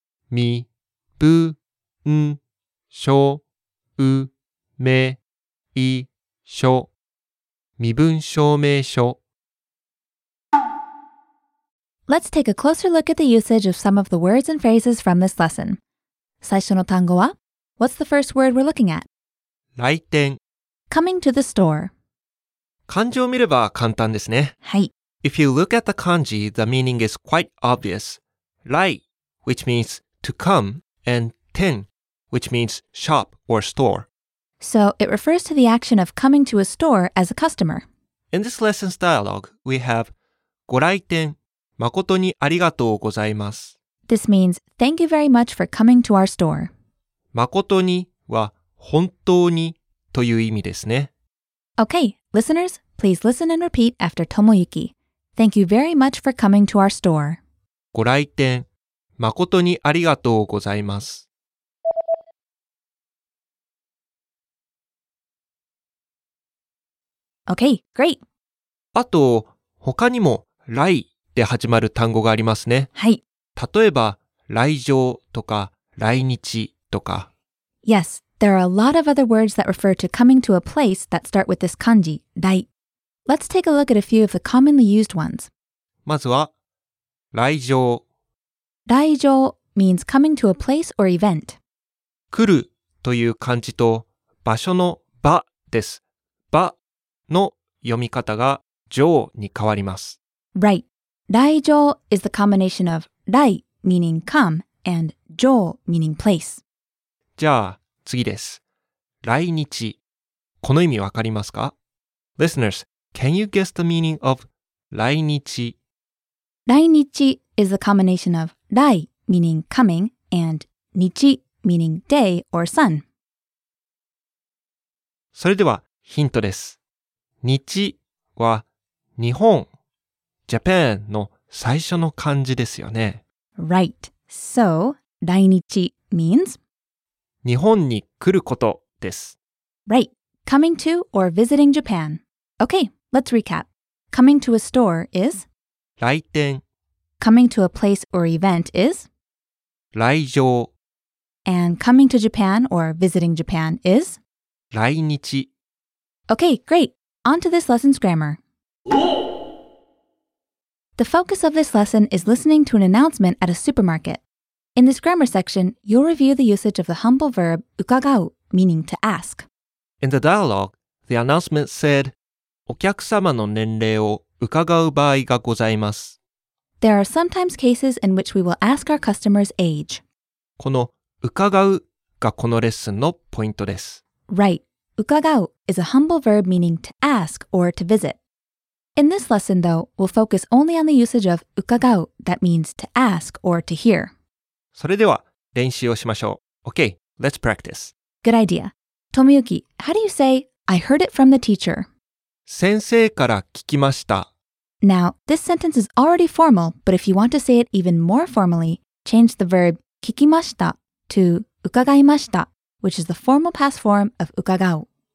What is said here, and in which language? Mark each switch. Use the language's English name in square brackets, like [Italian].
[Japanese] 身分証うめいしょ身分証明書 [English] Let's take a closer look at the usage of some of the words and phrases from this lesson. [Japanese] 最初の単語は? [English] What's the first word we're looking at? [Japanese] 来店 [English] Coming to the store [Japanese] 漢字を見れば簡単ですね。はい。 [English] If you look at the kanji, the meaning is quite obvious. 来 which means to come, and 店which means shop or store. So it refers to the action of coming to a store as a customer. In this lesson's dialogue, we have [Japanese] ご来店誠にありがとうございます。 [English] This means thank you very much for coming to our store. [Japanese] 誠には本当にという意味ですね。 [English] Okay, listeners, please listen and repeat after Tomoyuki. Thank you very much for coming to our store. [Japanese] ご来店誠にありがとうございます。 [English] Okay, great. [Japanese] あと、他にも来で始まる単語がありますね。はい。例えば、来場とか来日とか。 [English] Yes, there are a lot of other words that refer to coming to a place that start with this kanji, 来. Let's take a look at a few of the commonly used ones. [Japanese] まずは、来場。 [English] 来場 means coming to a place or event. [Japanese] 来るという漢字と場所の場です。場。の読み方が上に変わります。 [English] Right. 来場 is the combination of 来 meaning come and 上 meaning place. [Japanese] じゃあ次です。来日。この意味わかりますか? [English] Listeners, can you guess the meaning of 来日? 来日 is the combination of 来 meaning coming and 日 meaning day or sun. [Japanese] それではヒントです。日は日本、Japan の最初の漢字ですよね。 [English] Right. So, 来日 means? [Japanese] 日本に来ることです。 [English] Right. Coming to or visiting Japan. Okay, let's recap. Coming to a store is? [Japanese] 来店。 [English] Coming to a place or event is? [Japanese] 来場。 [English] And coming to Japan or visiting Japan is? [Japanese] 来日 [English] Okay, great. On to this lesson's grammar. The focus of this lesson is listening to an announcement at a supermarket. In this grammar section, you'll review the usage of the humble verb 伺う, meaning to ask. In the dialogue, the announcement said, [Japanese] お客様の年齢を伺う場合がございます。 [English] There are sometimes cases in which we will ask our customers' age. [Japanese] この伺うがこのレッスンのポイントです。 [English] Right. 伺う is a humble verb meaning to ask or to visit. In this lesson, though, we'll focus only on the usage of 伺う that means to ask or to hear. [Japanese] それでは練習をしましょう。 [English] Okay, let's practice. Good idea. Tomoyuki, how do you say, I heard it from the teacher? [Japanese] 先生から聞きました。 [English] Now, this sentence is already formal, but if you want to say it even more formally, change the verb 聞きましたto 伺いました, which is the formal past form of 伺う.